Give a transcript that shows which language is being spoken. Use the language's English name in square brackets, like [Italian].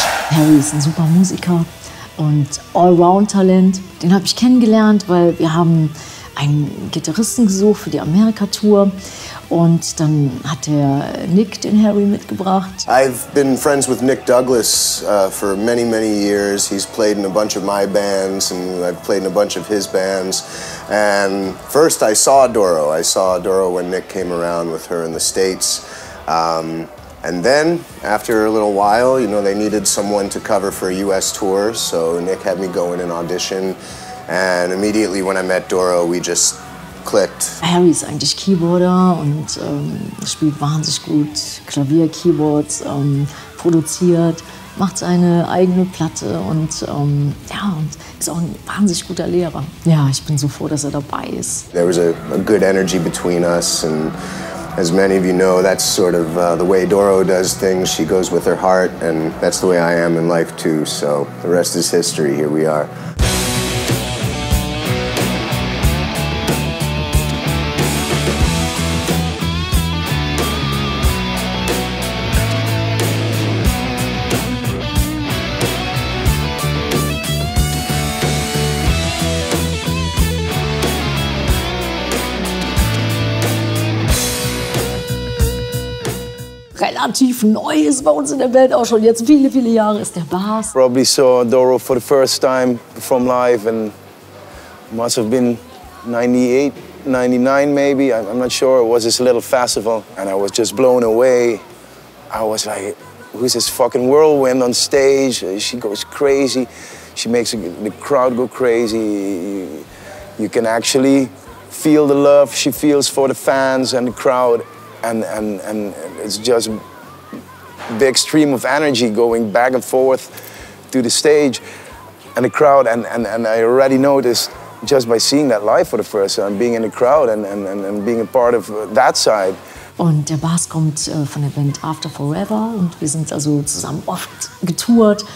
[German] Harry ist ein super Musiker und Allround-Talent. Den habe ich kennengelernt, weil wir haben einen Gitarristen gesucht für die Amerika-Tour. Und dann hat der Nick den Harry mitgebracht. [English] I've been friends with Nick Douglas for many, many years. He's played in a bunch of my bands and I've played in a bunch of his bands. And first I saw Doro. I saw Doro when Nick came around with her in the States. And then, after a little while, you know, they needed someone to cover for a US tour, so Nick had me go in and audition. And immediately when I met Doro, we just clicked. [German] Harry ist eigentlich Keyboarder und spielt wahnsinnig gut Klavier, Keyboards, produziert, macht seine eigene Platte und ja, und ist auch ein wahnsinnig guter Lehrer. Ja, ich bin so froh, dass er dabei ist. [English] There was a good energy between us and as many of you know, that's sort of the way Doro does things. She goes with her heart and that's the way I am in life too. So the rest is history. Here we are. [German] Relativ neu ist bei uns in der Band auch schon jetzt viele, viele Jahre, ist der Bass. [English] Probably saw Doro for the first time from live and must have been 98, 99 maybe, I'm not sure. It was this little festival and I was just blown away. I was like, who's this fucking whirlwind on stage? She goes crazy. She makes the crowd go crazy. You can actually feel the love she feels for the fans and the crowd. And it's just big stream of energy going back and forth to the stage and the crowd. And I already noticed just by seeing that live for the first time, being in the crowd and being a part of that side. [German] Und der Bass kommt von der Band After Forever und wir sind also zusammen oft getourt.